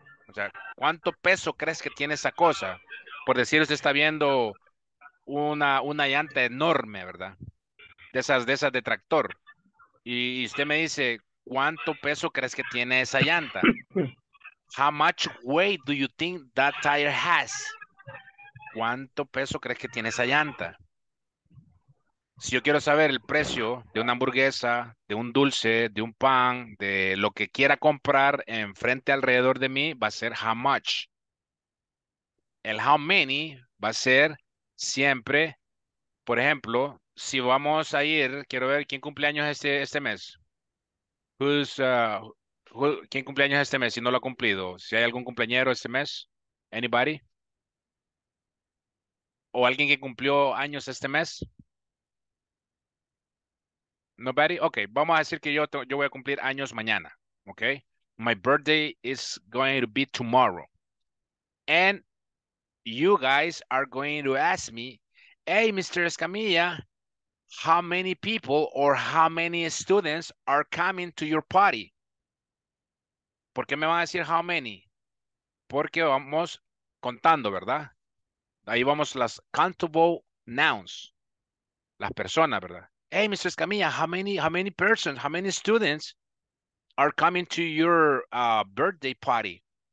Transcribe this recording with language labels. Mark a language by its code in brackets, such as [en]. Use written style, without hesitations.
[es] O sea, ¿cuánto peso crees que tiene esa cosa? Por decir, usted está viendo una llanta enorme, ¿verdad? De esas de tractor. Y usted me dice, ¿cuánto peso crees que tiene esa llanta? [en] How much weight do you think that tire has? [es] ¿Cuánto peso crees que tiene esa llanta? Si yo quiero saber el precio de una hamburguesa, de un dulce, de un pan, de lo que quiera comprar en frente alrededor de mí, va a ser [en] how much. [es] El [en] how many [es] va a ser siempre, por ejemplo, si vamos a ir, quiero ver quién cumple años este mes. ¿Quién cumple años este mes si no lo ha cumplido? Si hay algún cumpleañero este mes, anybody? ¿O alguien que cumplió años este mes? [en] Nobody? Okay, [es] vamos a decir que yo voy a cumplir años mañana, okay? [en] My birthday is going to be tomorrow. And you guys are going to ask me, hey, Mr. Escamilla, how many people or how many students are coming to your party? [es] ¿Por qué me van a decir [en] how many? [es] Porque vamos contando, ¿verdad? Ahí vamos las countable nouns, las personas, ¿verdad? [en] Hey, Mr. Escamilla, how many persons, how many students are coming to your birthday party?